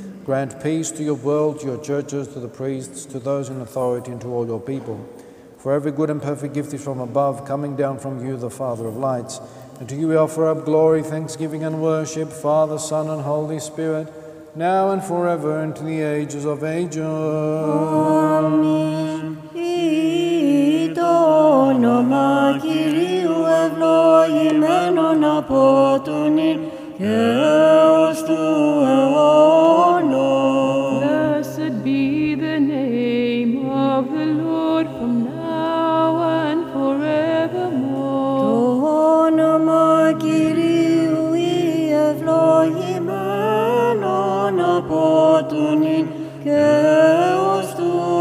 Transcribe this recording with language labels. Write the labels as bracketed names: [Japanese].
[English] Grant peace to your world, to your churches, to the priests, to those in authority, and to all your people. For every good and perfect gift is from above, coming down from you, the Father of lights. And to you we offer up glory, thanksgiving, and worship, Father, Son, and Holy Spirit, now and forever, and to the ages of ages. Amen. [Greek] Το όνομα Κυρίου ευλογημένον από τον ήν και έως του αιώνος. [English] Blessed be the name of the Lord from now and forevermore. [Greek] Το όνομα Κυρίου ευλογημένον από τον ήν και έως του